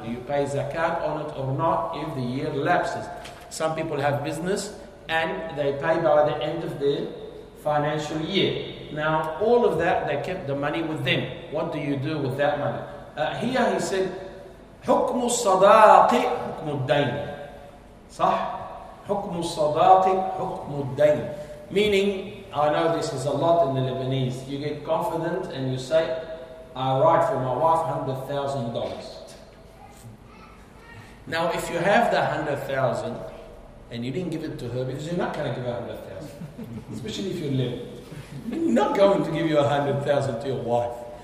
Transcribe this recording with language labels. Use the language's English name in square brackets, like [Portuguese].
[English] Do you pay zakat on it or not if the year lapses? Some people have business and they pay by the end of the financial year. Now, all of that, they kept the money with them. What do you do with that money? Here he said, [Arabic] حُكْمُ الصَّدَاقِ حُكْمُ الدَّيْنِ. صح؟ حُكْمُ الصَّدَاقِ حُكْمُ الدَّيْنِ. [English] Meaning, I know this is a lot in the Lebanese. You get confident and you say, I write for my wife $100,000. Now, if you have the $100,000 and you didn't give it to her, because you're not going to give her $100,000, especially if you're living, you're not going to give you $100,000 to your wife.